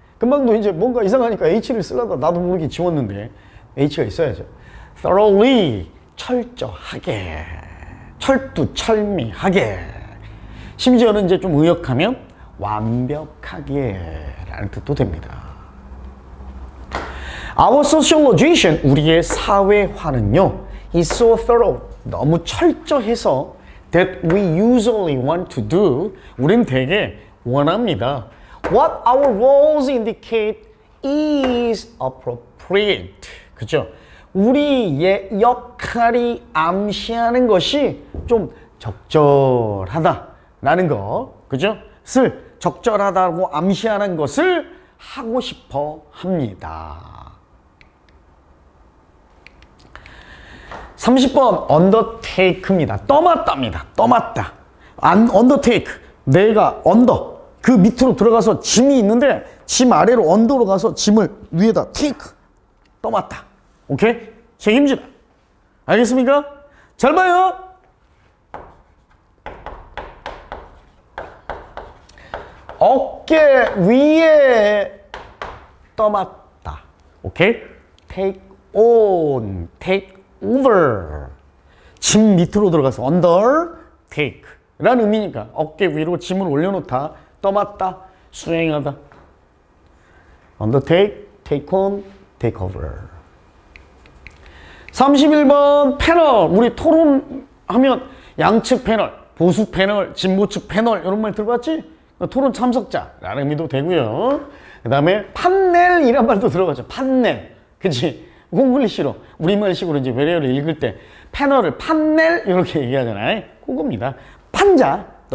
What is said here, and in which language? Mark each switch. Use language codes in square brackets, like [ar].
[ko] 금방도 이제 뭔가 이상하니까 H를 쓰려다 나도 모르게 지웠는데 H가 있어야죠. Thoroughly 철저하게 철두철미하게. 심지어는 이제 좀 의역하면 완벽하게 라는 뜻도 됩니다. [en] Our sociologization, [ko] 우리의 사회화는요 [en] is so thorough, [ko] 너무 철저해서 [en] that we usually want to do, [ko] 우린 되게 원합니다. [en] What our roles indicate is appropriate. [ko] 그죠? 우리의 역할이 암시하는 것이 좀 적절하다 라는 거. 그죠? 슬 적절하다고 암시하는 것을 하고 싶어 합니다. 30번 언더테이크입니다. 떠맞답니다. 떠맞다. 언더테이크. 내가 언더 그 밑으로 들어가서 짐이 있는데 짐 아래로 언더로 가서 짐을 위에다 테이크. 떠맞다. 오케이? 책임지다. 알겠습니까? 잘 봐요. 어깨 위에 떠맞다. 오케이? [en] Take on, take over. [ko] 짐 밑으로 들어가서 under, take 라는 의미니까 어깨 위로 짐을 올려놓다. 떠맞다, 수행하다. [en] Undertake, take on, take over. [ko] 31번 패널. 우리 토론하면 양측 패널, 보수 패널, 진보측 패널 이런 말 들어봤지? 토론 참석자라는 의미도 되고요. 그 다음에 판넬이란 말도 들어봤죠. 판넬. 그치? 콩글리시로 우리말식으로 이제 외래어를 읽을 때 패널을 판넬 이렇게 얘기하잖아요. 그겁니다. 판자.